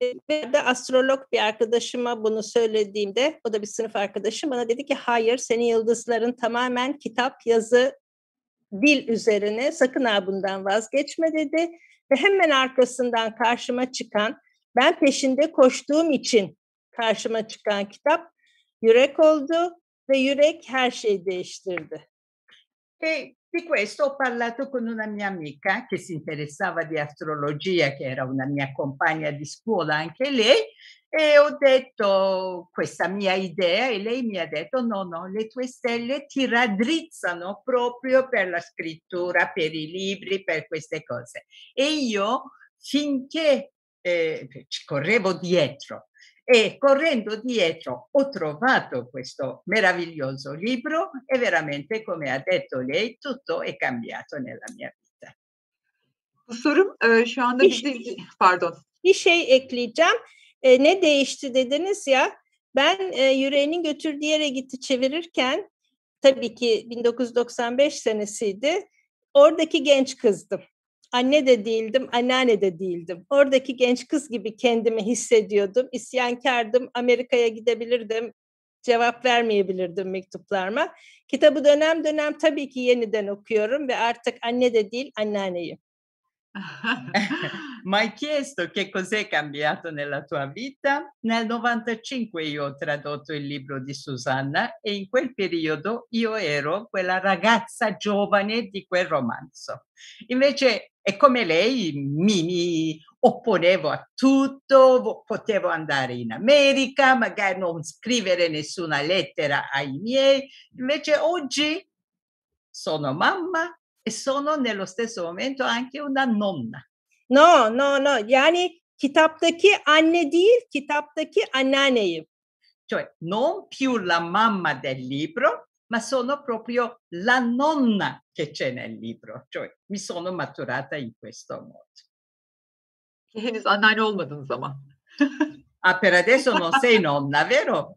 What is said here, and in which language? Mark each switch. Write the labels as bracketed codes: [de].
[tr] Ve de astrolog bir arkadaşıma bunu söylediğimde, o da bir sınıf arkadaşım, bana dedi ki hayır, senin yıldızların tamamen kitap, yazı, dil üzerine, sakın bundan vazgeçme dedi. Ve hemen arkasından karşıma çıkan, ben peşinde koştuğum için karşıma çıkan kitap Yürek oldu ve Yürek her şeyi değiştirdi. [it] Di questo ho parlato con una mia amica che si interessava di astrologia, che era una mia compagna di scuola anche lei, e ho detto questa mia idea e lei mi ha detto no, le tue stelle ti raddrizzano proprio per la scrittura, per i libri, per queste cose. E io finché ci correvo dietro e correndo dietro ho trovato questo meraviglioso libro e veramente, come ha detto lei, tutto è cambiato nella mia vita. [tr] Bu sorum şu anda bir şey ekleyeceğim. Ne değişti dediniz ya, ben Yüreğinin Götürdüğü Yere Gitti çevirirken, tabii ki 1995 senesiydi, oradaki genç kızdım. Anne de değildim, anneanne de değildim. Oradaki genç kız gibi kendimi hissediyordum. İsyankardım, Amerika'ya gidebilirdim. Cevap vermeyebilirdim mektuplarıma. Kitabı dönem dönem tabii ki yeniden okuyorum ve artık anne de değil, anneanneyim. [it] Mi hai chiesto che cos'è cambiato nella tua vita? Nel 95 io ho tradotto il libro di Susanna e in quel periodo io ero quella ragazza giovane di quel romanzo. Invece, è come lei, mi opponevo a tutto, potevo andare in America, magari non scrivere nessuna lettera ai miei. Invece oggi sono mamma e sono nello stesso momento anche una nonna. [tr] No, yani kitaptaki anne değil, kitaptaki anneanneyim. [it] Cioè, non più la mamma del libro, ma sono proprio la nonna che c'è nel libro. Cioè, mi sono maturata in questo modo. [tr] Che henüz anneanne olmadınız ama. [it] Ah, per adesso non sei nonna, vero?